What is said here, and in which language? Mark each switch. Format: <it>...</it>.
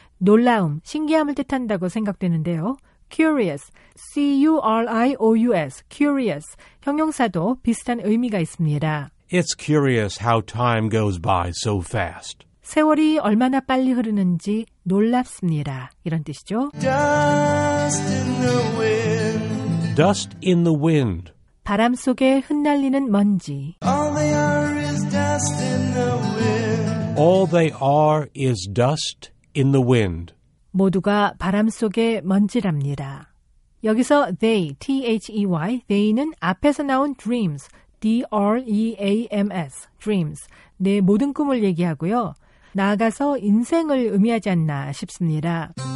<ko>놀라움, 신기함을 뜻한다고 생각되는데요.</ko> <en>Curious, C-U-R-I-O-U-S, curious.</en> <ko>형용사도 비슷한 의미가 있습니다.</ko> <en>It's curious how time goes by so fast.</en> <ko>세월이 얼마나 빨리 흐르는지 놀랍습니다. 이런 뜻이죠.</ko> <en>Dust in the wind. Dust in the wind.</en> <ko>바람 속에 흩날리는 먼지.</ko> <en>All they are is dust in the wind. All they are is dust in the wind.</en> <ko>모두가 바람 속의 먼지랍니다. 여기서 they, T-H-E-Y, they는 앞에서 나온 dreams, D-R-E-A-M-S, dreams, 내 모든 꿈을 얘기하고요. 나아가서 인생을 의미하지 않나 싶습니다.</ko>